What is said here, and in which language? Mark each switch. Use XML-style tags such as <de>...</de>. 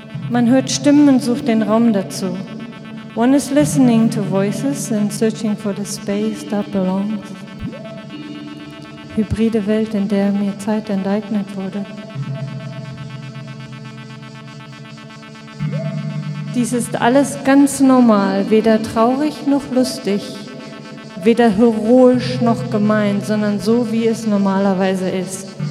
<de>Man hört Stimmen und sucht den Raum dazu.</de> <en>One is listening to voices and searching for the space that belongs.</en> <de>Hybride Welt, in der mir Zeit enteignet wurde. Dies ist alles ganz normal, weder traurig noch lustig, weder heroisch noch gemein, sondern so, wie es normalerweise ist.</de>